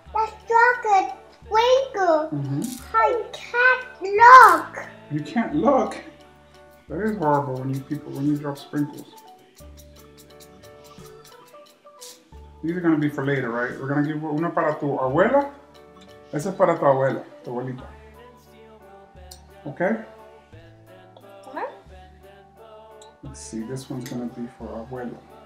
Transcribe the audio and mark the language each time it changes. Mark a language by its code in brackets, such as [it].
[en] That's chocolate sprinkle. I can't look. You can't look? That is horrible when you drop sprinkles. These are going to be for later, right? We're going to give [es] una para tu abuela. Esa es para tu abuela, tu abuelita. [en] Okay? What? Let's see, this one's going to be for abuela.